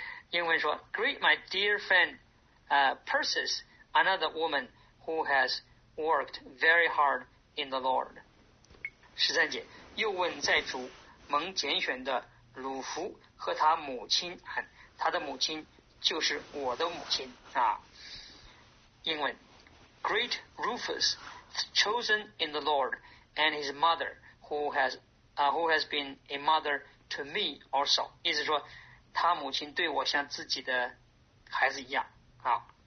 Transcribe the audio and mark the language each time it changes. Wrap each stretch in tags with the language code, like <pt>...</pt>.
<zh>英文说</zh> <en>Greet my dear friend Persis, another woman who has worked very hard in the Lord.</en> <zh>十三节，又问在主蒙拣选的鲁弗和他母亲安，他的母亲就是我的母亲啊。英文</zh> <en>Greet Rufus, chosen in the Lord, and his mother who has been a mother to me also.</en> <zh>意思说他母亲对我像自己的孩子一样啊。</zh>